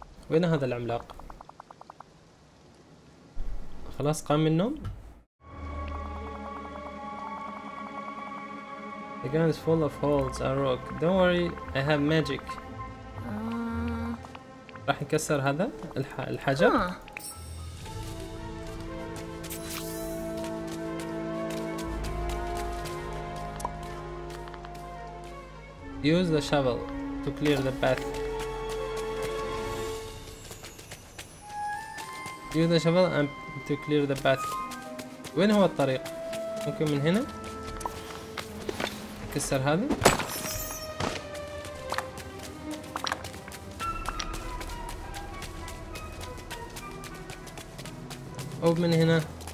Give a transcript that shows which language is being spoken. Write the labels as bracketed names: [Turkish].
[Arabic] وين هذا العملاق؟ خلاص قام من النوم. [English] The ground is full of holes and rock. Don't worry, I have magic. [Arabic] راح نكسر هذا الحجر. [English] Use the shovel to clear the path. Use the shovel and to clear the path. [Arabic] وين هو الطريق؟ ممكن من هنا؟ نكسر هذا. أو من هنا.